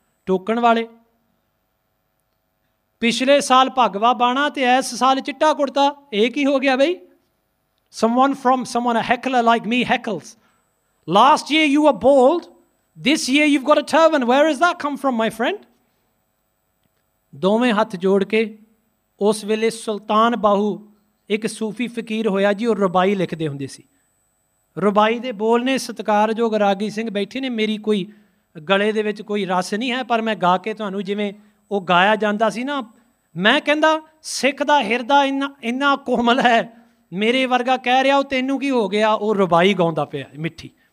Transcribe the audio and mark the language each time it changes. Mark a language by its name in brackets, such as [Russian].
[Punjabi] ਟੋਕਣ ਵਾਲੇ, ਪਿਛਲੇ ਸਾਲ ਭਗਵਾ ਬਾਣਾ ਅਤੇ ਇਸ ਸਾਲ ਚਿੱਟਾ ਕੁੜਤਾ, ਇਹ ਕੀ ਹੋ ਗਿਆ ਬਈ? [English] Someone from someone, Hercules like me Hercules. Last year you were bald. This year you've got a turban. Where has that come from, my friend? [Punjabi] ਦੋਵੇਂ ਹੱਥ ਜੋੜ ਕੇ ਉਸ ਵੇਲੇ ਸੁਲਤਾਨ ਬਾਹੂ ਇੱਕ ਸੂਫੀ ਫਕੀਰ ਹੋਇਆ ਜੀ, ਉਹ ਰਬਾਈ ਲਿਖਦੇ ਹੁੰਦੇ ਸੀ। ਰਬਾਈ ਦੇ ਬੋਲ ਨੇ ਸਤਿਕਾਰਯੋਗ ਰਾਗੀ ਸਿੰਘ ਬੈਠੇ ਨੇ, ਮੇਰੀ ਕੋਈ ਗਲੇ ਦੇ ਵਿੱਚ ਕੋਈ ਰਸ ਨਹੀਂ ਹੈ, ਪਰ ਮੈਂ ਗਾ ਕੇ ਤੁਹਾਨੂੰ ਜਿਵੇਂ ਉਹ ਗਾਇਆ ਜਾਂਦਾ ਸੀ ਨਾ, ਮੈਂ ਕਹਿੰਦਾ ਸਿੱਖ ਦਾ ਹਿਰਦਾ ਇੰਨਾ ਕੋਮਲ ਹੈ, ਮੇਰੇ ਵਰਗਾ ਕਹਿ ਰਿਹਾ ਉਹ ਤੈਨੂੰ ਕੀ ਹੋ ਗਿਆ, ਉਹ ਰਬਾਈ ਗਾਉਂਦਾ ਪਿਆ ਮਿੱਠੀ।